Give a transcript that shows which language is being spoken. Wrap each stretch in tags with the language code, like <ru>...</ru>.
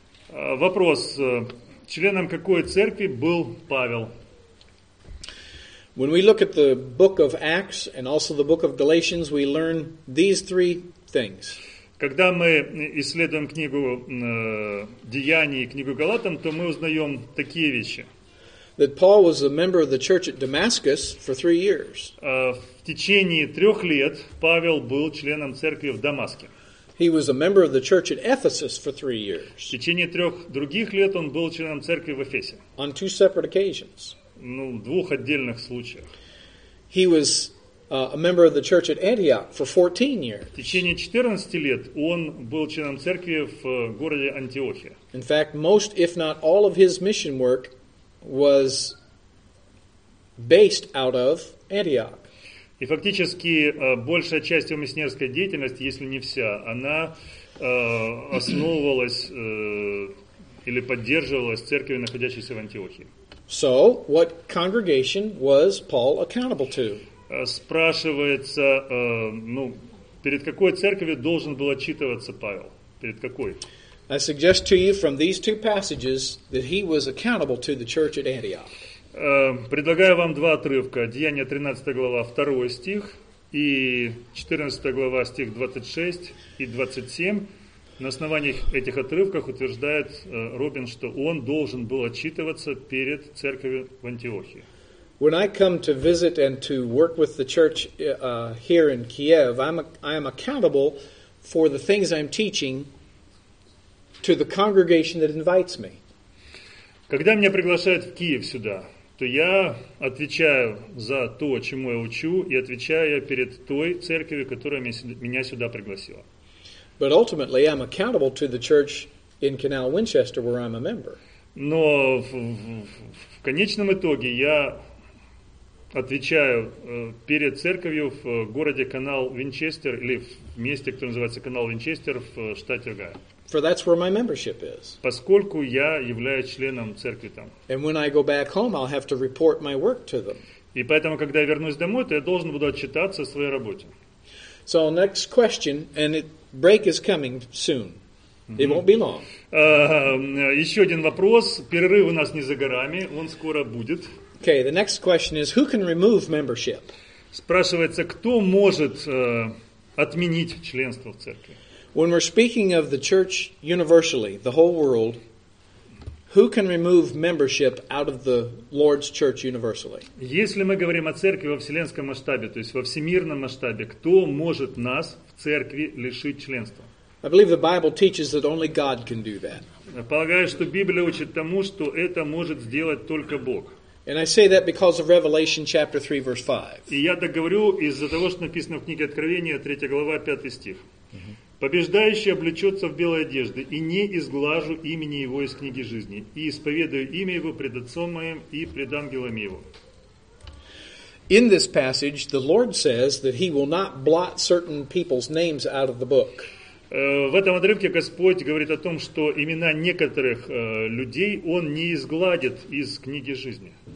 <ru>Вопрос. Членом какой церкви был Павел?</ru> <en>When we look at the book of Acts and also the book of Galatians, we learn these three things.</en> <ru>Когда мы исследуем книгу Деяний и книгу Галатам, то мы узнаем такие вещи.</ru> <en>That Paul was a member of the church at Damascus for 3 years.</en> <ru>В течение 3 лет Павел был членом церкви в Дамаске.</ru> <en>He was a member of the church at Ephesus for 3 years.</en> <ru>В течение 3 других лет он был членом церкви в Эфесе.</ru> <en>On 2 separate occasions.</en> <ru>Ну, в 2 отдельных случаях.</ru> <en>He was a member of the church at Antioch for 14 years.</en> <ru>В течение 14 лет он был членом церкви в городе Антиохия.</ru> <en>In fact, most, if not all, of his mission work was based out of Antioch.</en> <ru>И фактически большая часть его миссионерской деятельности, если не вся, она основывалась или поддерживалась церковью, находящейся в Антиохии.</ru> <en>So, what congregation was Paul accountable to?</en> <ru>Спрашивается, ну, перед какой церковью должен был отчитываться Павел? Перед какой?</ru> <en>I suggest to you from these two passages that he was accountable to the church at Antioch.</en> <ru>Предлагаю вам 2 отрывка. Деяния 13 глава, 2 стих и 14 глава, стих 26 и 27. На основании этих отрывков утверждает Робин, что он должен был отчитываться перед церковью в Антиохии.</ru> <en>When I come to visit and to work with the church here in Kiev, I am accountable for the things I'm teaching to the congregation that invites me.</en> <ru>Когда меня приглашают в Киев сюда, то я отвечаю за то, чему я учу, и отвечаю я перед той церковью, которая меня сюда пригласила.</ru> <en>But ultimately, I'm accountable to the church in Canal Winchester, where I'm a member.</en> <ru>Но в конечном итоге я отвечаю перед церковью в городе Канал Винчестер, или в месте, которое называется Канал Винчестер, в штате Огайо.</ru> <en>For that's where my membership is.</en> <ru>Поскольку я являюсь членом церкви там.</ru> <en>And when I go back home, I'll have to report my work to them.</en> <ru>И поэтому, когда я вернусь домой, то я должен буду отчитаться о своей работе.</ru> <en>So next question, and break is coming soon. Mm-hmm. It won't be long.</en> <ru>Еще один вопрос. Перерыв у нас не за горами, он скоро будет.</ru> <en>Okay, the next question is, who can remove membership?</en> <ru>Спрашивается, кто может отменить членство в церкви?</ru> <en>When we're speaking of the church universally, the whole world, who can remove membership out of the Lord's church universally?</en> <ru>Если мы говорим о церкви во вселенском масштабе, то есть во всемирном масштабе, кто может нас в церкви лишить членства?</ru> <en>I believe the Bible teaches that only God can do that.</en> <ru>Полагаю, что Библия учит тому, что это может сделать только Бог.</ru> <en>And I say that because of Revelation chapter 3 verse 5.</en> <ru>И я так говорю из-за того, что написано в книге Откровения, 3 глава, 5 стих. Побеждающий облечется в белой одежды, и не изглажу имени его из книги жизни, и исповедую имя его пред отцом моим и пред ангелами его.</ru> <en>In this passage, the Lord says that he will not blot certain people's names out of the book.</en> <ru>В этом отрывке Господь говорит о том, что имена некоторых людей он не изгладит из книги жизни.</ru>